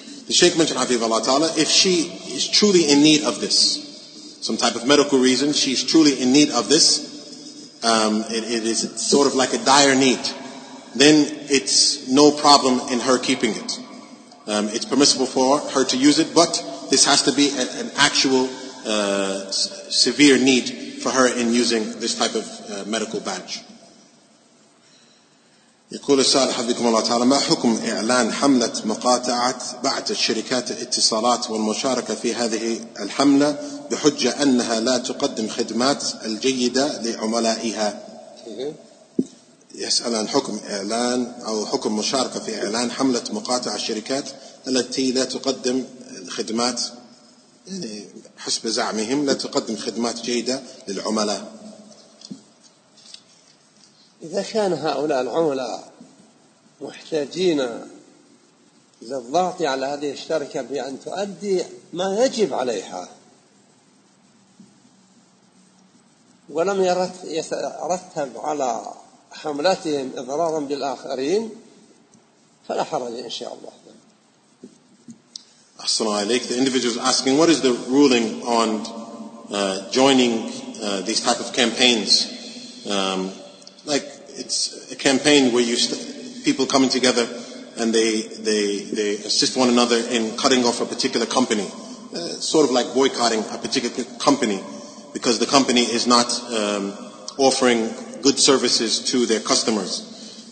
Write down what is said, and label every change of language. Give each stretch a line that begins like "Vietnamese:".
English: The Shaykh mentioned, Hafidh Allah Ta'ala, if she is truly in need of this, some type of medical reason, she's truly in need of this, it is sort of like a dire need, then it's no problem in her keeping it. It's permissible for her to use it, but this has to be an actual severe need for her in using this type of medical badge.
Arabic: يقول السائل حفظكم الله تعالى: ما حكم إعلان حملة مقاطعة بعث الشركات الاتصالات والمشاركة في هذه الحملة بحجة أنها لا تقدم خدمات الجيدة لعملائها؟ يسأل عن حكم إعلان أو حكم مشاركة في إعلان حملة مقاطعة الشركات التي لا تقدم خدمات، يعني حسب زعمهم لا تقدم خدمات جيدة للعملاء. إذا كان هؤلاء العملاء محتاجين للضغط على هذه الشركة بأن تؤدي ما يجب عليها، ولم يترتب على حملتهم إضرارا بالآخرين، فلا حرج إن شاء الله. أحسن عليك.
English: The individual is asking: what is the ruling on joining these type of campaigns? It's a campaign where people coming together and they assist one another in cutting off a particular company, sort of like boycotting a particular company because the company is not offering good services to their customers.